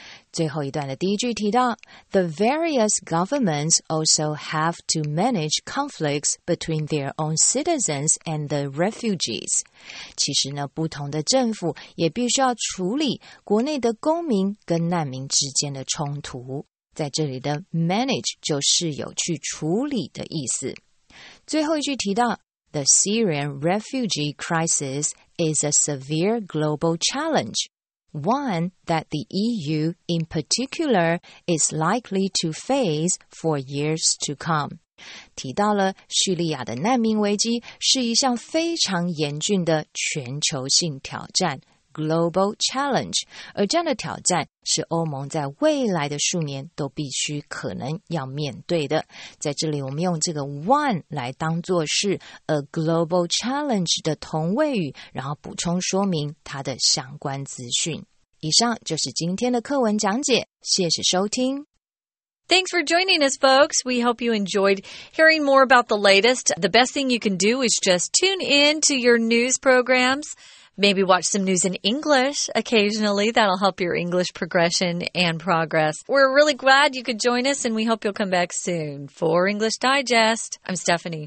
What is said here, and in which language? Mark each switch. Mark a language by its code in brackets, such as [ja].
[zh] 最后一段的第一句提到 [en] The various governments also have to manage conflicts between their own citizens and the refugees. [zh] 其实呢不同的政府也必须要处理国内的公民跟难民之间的冲突。在这里的 manage 就是有去处理的意思。最后一句提到 [en] The Syrian refugee crisis is a severe global challenge, one that the EU in particular is likely to face for years to come. [zh] 提到了叙利亚的难民危机是一项非常严峻的全球性挑战。 Global Challenge, 而这样的挑战是欧盟在未来的数年都必须可能要面对的。在这里我们用这个 one 来当作是 a global challenge 的同位语然后补充说明它的相关资讯。以上就是今天的课文讲解谢谢收听。 [en] Thanks for joining us, folks. We hope you enjoyed hearing more about the latest. The best thing you can do is just tune in to your news programs. Maybe watch some news in English occasionally. That'll help your English progression and progress. We're really glad you could join us, and we hope you'll come back soon. For English Digest, I'm Stephanie.